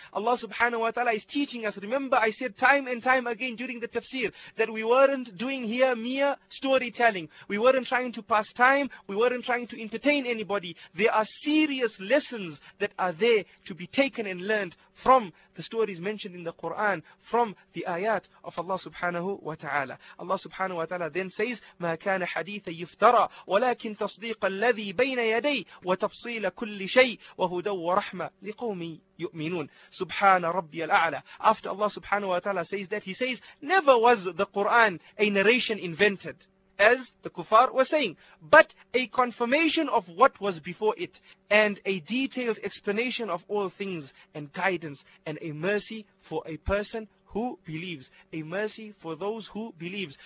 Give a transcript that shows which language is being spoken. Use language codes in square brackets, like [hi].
[en] Allah subhanahu wa ta'ala is teaching us. Remember, I said time and time again during the tafsir that we weren't doing here mere storytelling. We weren't trying to pass time. We weren't trying to entertain anybody. There are serious lessons that are there to be taken and learned from the stories mentioned in the Quran, from the ayat of Allah subhanahu [ar] سبحانه وتعالى. الله سبحانه وتعالى [en] then says [ar] ما كان حديثا يفترى ولكن تصديق الذي بين يدي وتفصيل كل شيء وهدى ورحمة لقوم يؤمنون. سبحان ربي الأعلى. [en] After Allah سبحانه وتعالى says that, he says never was the Quran a narration invented, as the kuffar were saying, but a confirmation of what was before it, and a detailed explanation of all things, and guidance, and a mercy for a person who believes, a mercy for those who believes.